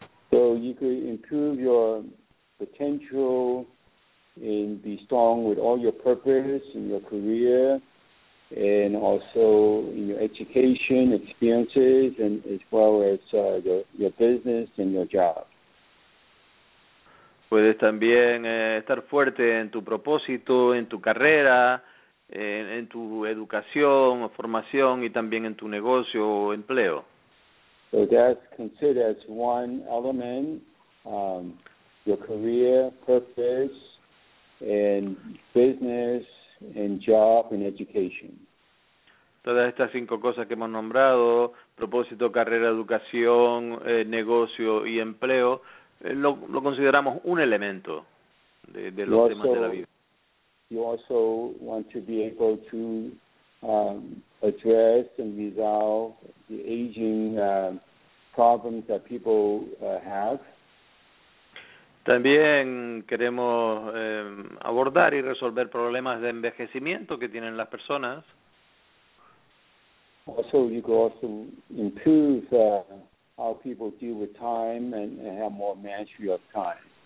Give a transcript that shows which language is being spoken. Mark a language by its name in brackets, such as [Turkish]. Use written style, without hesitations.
[English] So you could improve your potential and be strong with all your purpose in your career and also in your education experiences and as well as your business and your job. [Spanish] Puedes también estar fuerte en tu propósito, en tu carrera, en tu educación o formación y también en tu negocio o empleo. [English] So that's considered one element, your career, purpose, and business, and job, and education. [Spanish] Todas estas cinco cosas que hemos nombrado, propósito, carrera, educación, negocio y empleo, lo consideramos un elemento de los temas de la vida. [English] You also want to be able to address and resolve the aging problems that people have. [Spanish] También queremos abordar y resolver problemas de envejecimiento que tienen las personas. [English] Also, you could also improve how people deal with time and have more mastery of time.